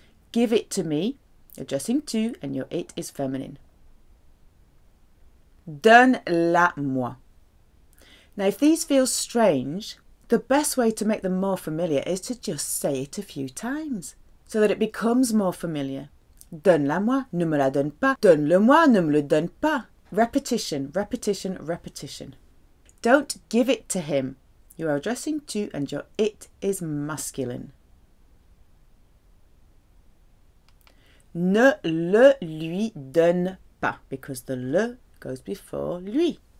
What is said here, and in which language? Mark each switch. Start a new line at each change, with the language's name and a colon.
English: Give it to me, addressing to, and your it is feminine.
French: Donne-la moi.
English: Now, if these feel strange, the best way to make them more familiar is to just say it a few times so that it becomes more familiar.
French: Donne-la moi, ne me la donne pas. Donne-le moi, ne me le donne pas.
English: Repetition, repetition, repetition. Don't give it to him. You are addressing to and your it is masculine.
French: Ne le lui donne pas,
English: because the le goes before lui.